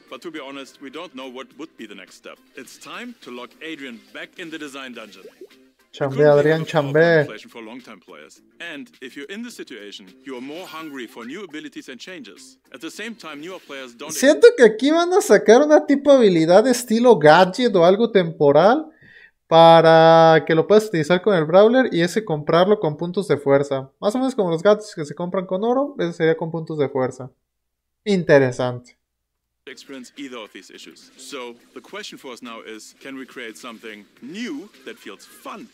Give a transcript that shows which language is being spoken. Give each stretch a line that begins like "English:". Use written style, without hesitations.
English: But to be honest, we don't know what would be the next step. It's time to lock Adrian back in the design dungeon.
Spanish: Chambé, Adrián, chambé.
English: for long time players. And if you're in the situation, you are more hungry for new abilities and changes. At the same time, newer players don't.
Spanish: Siento que aquí van a sacar una tipo de habilidad estilo gadget o algo temporal para que lo puedas utilizar con el Brawler y ese comprarlo con puntos de fuerza. Más o menos como los gadgets que se compran con oro, ese sería con puntos de fuerza. Interesante.
English: Experience either of these issues. So the question for us now is, can we create something new that feels fun?